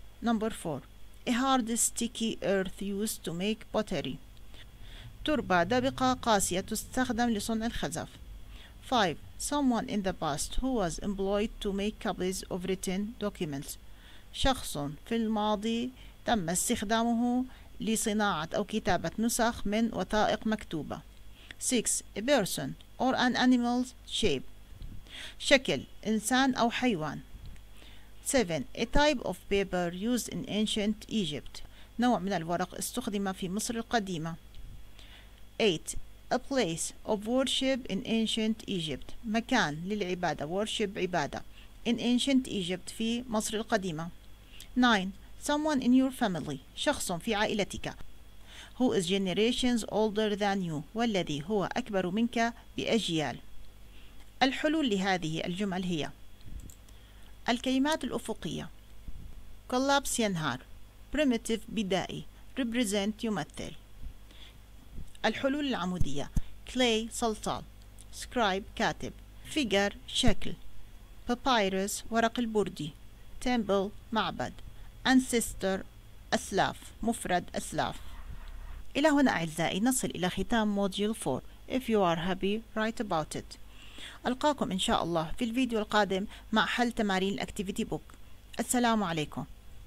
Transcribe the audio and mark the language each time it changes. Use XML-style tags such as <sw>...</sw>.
<en>number 4 A hard sticky earth used to make pottery.</en> <ar>تربة دابقة قاسية تستخدم لصنع الخزف.</ar> <en>5 Someone in the past who was employed to make copies of written documents.</en> <ar>شخص في الماضي تم استخدامه لصناعة أو كتابة نسخ من وثائق مكتوبة.</ar> <en>6 A person or an animal's shape.</en> <ar>شكل إنسان أو حيوان.</ar> <en>7 A type of paper used in ancient Egypt.</en> <ar>نوع من الورق استخدم في مصر القديمة.</ar> <en>8 A place of worship in ancient Egypt.</en> <ar>مكان للعبادة.</ar> <en>Worship</en> <ar>عبادة.</ar> <en>In ancient Egypt</en> <ar>في مصر القديمة.</ar> <en>9 Someone in your family.</en> <ar>شخص في عائلتك.</ar> <en>Who is generations older than you.</en> <ar>والذي هو أكبر منك بأجيال. الحلول لهذه الجمل هي الكلمات الأفقية collapse ينهار primitive بدائي represent يمثل الحلول العمودية clay صلصال scribe كاتب figure شكل papyrus ورق البردي temple معبد ancestor أسلاف مفرد أسلاف. إلى هنا أعزائي نصل إلى ختام module 4.</ar> <en>If you are happy write about it.</en> <ar>ألقاكم إن شاء الله في الفيديو القادم مع حل تمارين الأكتيفيتي بوك. السلام عليكم.</ar>